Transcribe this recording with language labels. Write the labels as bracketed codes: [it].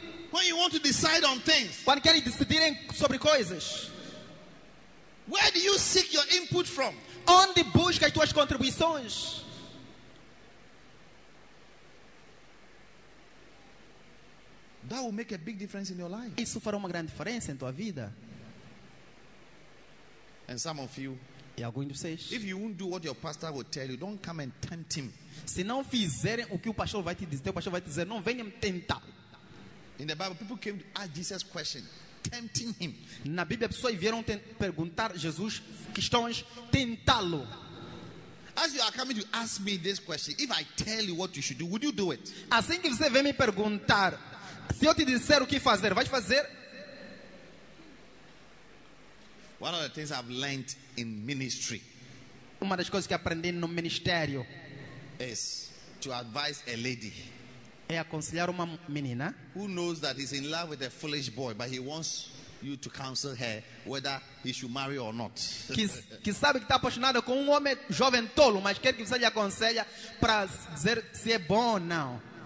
[en] When you want to decide on things. [pt] Quando queres decidir sobre coisas. [en] Where do you seek your input from? [pt] Onde buscas tuas contribuições? [en] That will make a big difference in your life. [pt] Isso fará uma grande diferença em tua vida. [en] And some of you, [pt] e alguns de vocês, [en] if you won't do what your pastor will tell you, don't come and tempt him. [pt] Se não fizerem o que o pastor vai te dizer, teu pastor vai te dizer, não venha me tentar. [en] In the Bible, people came to ask Jesus questions. Tempting him. [pt] Na Bíblia, pessoas vieram perguntar a Jesus questões, tentá-lo. [en] As you are coming to ask me this question, if I tell you what you should do, would you do it? [pt] Assim que você vem me perguntar, se eu te disser o que fazer, vais fazer? [en] One of the things I've learned in ministry. [pt] Uma das coisas que aprendi no ministério. [en] Is to advise a lady. [pt] É aconselhar uma menina. [en] Who knows that he's in love with a foolish boy, but he wants you to counsel her whether he should marry or not. [pt] Que sabe que está apaixonada com homem jovem tolo, mas quer que você lhe aconselhe para dizer se é bom ou não.